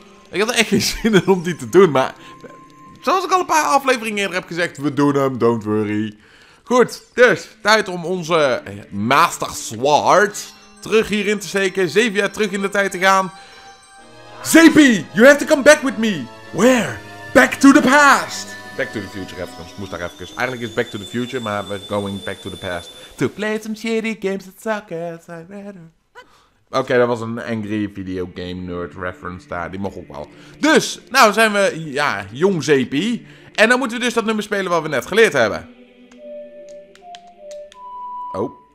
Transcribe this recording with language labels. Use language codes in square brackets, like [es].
[nl] Ik had echt geen zin in om die te doen, maar... Zoals ik al een paar afleveringen eerder heb gezegd, we doen hem, [en] don't worry. [nl] Goed, dus, tijd om onze Master Sword terug hierin te steken. 7 jaar terug in de tijd te gaan. [en] Zeepie, you have to come back with me. Where? Back to the past. Back to the Future reference, [nl] moest daar even. Eigenlijk is [en] Back to the Future, [nl] maar [en] we're going back to the past. To play some shitty games that suck as I rather. [nl] Oké, dat was een angry video game nerd reference daar, die mocht ook wel. Dus, nou zijn we, ja, jong zeepie. En dan moeten we dus dat nummer spelen wat we net geleerd hebben. Oh.